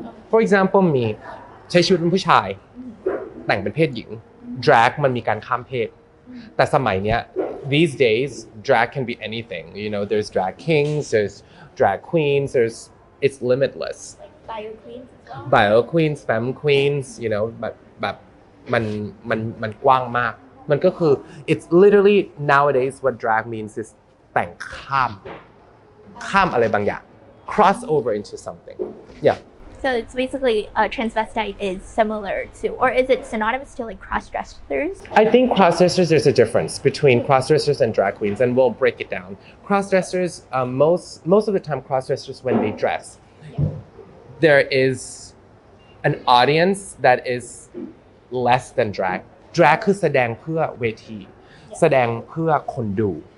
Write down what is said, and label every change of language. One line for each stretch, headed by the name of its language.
English: For example, me,
Thai: ใช้ชีวิตเป็นผู้ชายแต่งเป็นเพศหญิง drag มันมีการข้ามเพศแต่สมัยเนี้ย
English: these days, drag can be anything. You know, there's drag kings, there's drag queens, there's, it's limitless. Like bio queens as well? Bio queens, femme queens, you know, but
Thai: มันกว้างมากมันก็คือ
English: it's literally nowadays what drag means is
Thai: แต่งข้ามอะไรบางอย่าง
English: cross over into something yeah so it's basically a transvestite is similar to or is it synonymous to like crossdressers I think crossdressers there's a difference between crossdressers and drag queens and we'll break it down crossdressers most of the time crossdressers when they dress there is an audience that is less than drag
Thai: คือแสดงเพื่อเวทีแสดงเพื่อคนดู